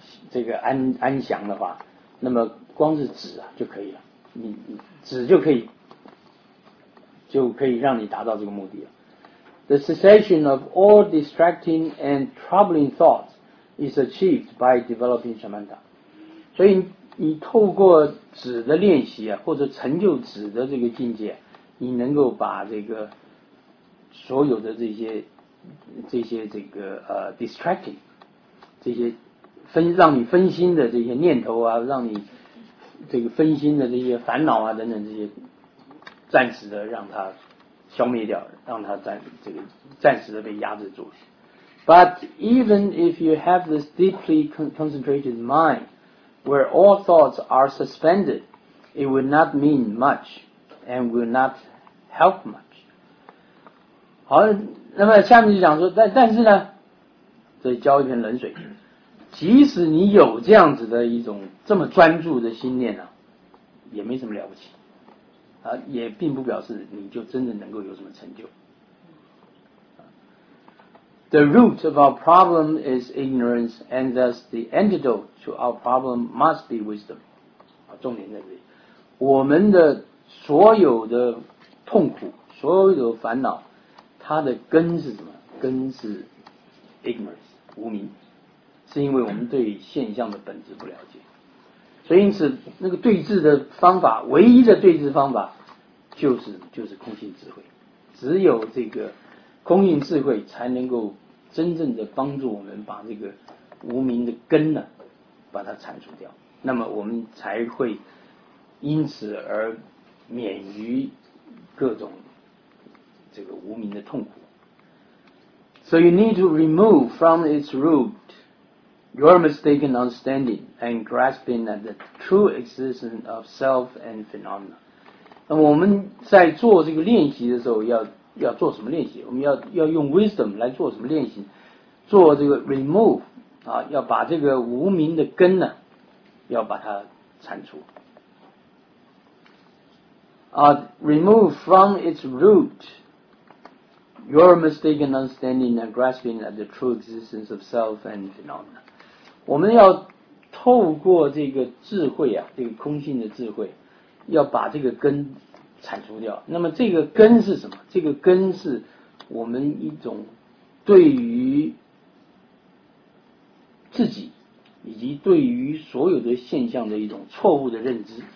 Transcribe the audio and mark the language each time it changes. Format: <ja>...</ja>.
<zh>这个安详的话，那么光是止啊就可以了，你止就可以让你达到这个目的了。</zh> <en>The cessation of all distracting and troubling thoughts is achieved by developing samatha.</en> <zh>所以你透过止的练习啊，或者成就止的这个境界，你能够把这个所有的这些 distracting 这些让你分心的这些念头啊，让你这个分心的这些烦恼啊等等这些，暂时的让它消灭掉，让它暂时的被压制住。</zh> <en>But even if you have this deeply concentrated mind, where all thoughts are suspended, it will not mean much and will not help much.</en> <zh>好，那么下面就讲说，但是呢，这浇一盆冷水。即使你有这样子的一种这么专注的心念呢、啊，也没什么了不起啊，也并不表示你就真的能够有什么成就。</zh> <en>The root of our problem is ignorance, and thus the antidote to our problem must be wisdom.</en> <zh>啊，重点在这里，我们的所有的痛苦、所有的烦恼，它的根是什么？根是 ignorance， 无明。是因为我们对现象的本质不了解，所以因此那个对治的方法，唯一的对治方法就是空性智慧，只有这个空性智慧才能够真正的帮助我们把这个无明的根呢把它铲除掉，那么我们才会因此而免于各种这个无明的痛苦。</zh> <en>So you need to remove from its root your mistaken understanding and grasping at the true existence of self and phenomena.</en> <zh>那我们在做这个练习的时候要做什么练习？我们要用 wisdom 来做什么练习？做这个 remove 啊，要把这个无明的根呢，要把它铲除。</zh> <en>Remove from its root your mistaken understanding and grasping at the true existence of self and phenomena.</en> <zh>我们要透过这个智慧啊，这个空性的智慧，要把这个根铲除掉。那么这个根是什么？这个根是我们一种对于自己以及对于所有的现象的一种错误的认知。</zh>